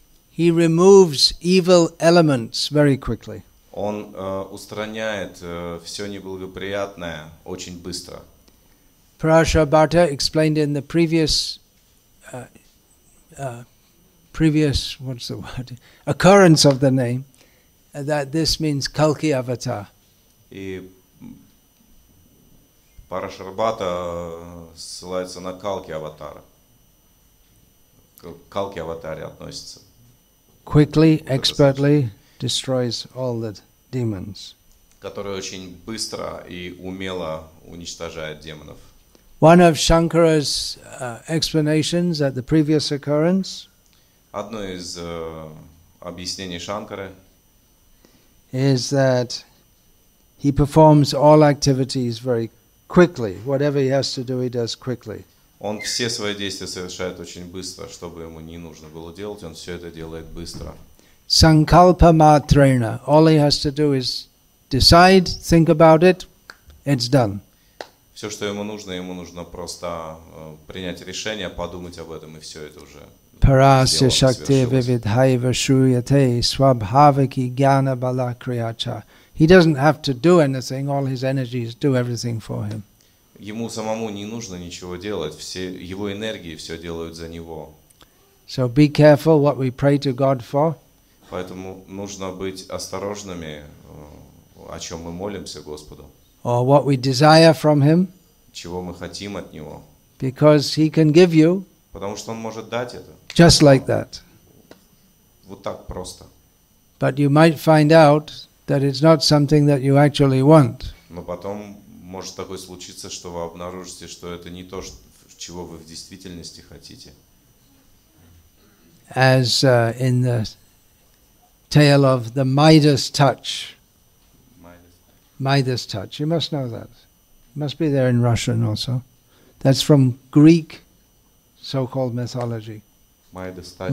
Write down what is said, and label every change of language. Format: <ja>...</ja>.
<en>He removes evil elements very quickly.</en> <ru>Он устраняет все неблагоприятное очень быстро.</ru> <en>Parashara Bhatta explained in the occurrence of the name that this means Kalki avatar.</en> <ru>И Parashara Bhatta ссылается на Kalki avatar. Kalki avatar относится.</ru> <en>Quickly, expertly destroys all the demons.</en> <ru>Который очень быстро и умело уничтожает демонов.</ru> <en>One of Shankara's explanations at the previous occurrence.</en> <ru>Одно из объяснений Шанкары.</ru> <en>is that he performs all activities very quickly. Whatever he has to do, he does quickly.</en> <ru>Он все свои действия совершает очень быстро, чтобы ему не нужно было делать, он все это делает быстро.</ru> <sa>Sankalpa matrena.</sa> <en>All he has to do is decide, think about it, it's done.</en> <ru>Все, что ему нужно просто принять решение, подумать об этом, и все это уже</ru> <sa>Parasya shakti vividhaiva shruyate swabhavaki gyana bala kriyacha.</sa> <en>He doesn't have to do anything, all his energies do everything for him.</en> <ru>Ему самому не нужно ничего делать, все его энергии все делают за него.</ru> <en>So be careful what we pray to God for.</en> <ru>Поэтому нужно быть осторожными, о чем мы молимся Господу.</ru> <en>Or what we desire from him.</en> <ru>Чего мы хотим от него.</ru> <en>Because he can give you.</en> <ru>Потому что он может дать это.</ru> <en>Just like that.</en> <ru>Вот так просто.</ru> <en>But you might find out that it's not something that you actually want.</en> <ru>Но потом может такое случиться, что вы обнаружите, что это не то, чего вы в действительности хотите.</ru> <en>As in the tale of the Midas touch. Midas touch. You must know that. It must be there in Russian also. That's from Greek so-called mythology. Midas touch.</en>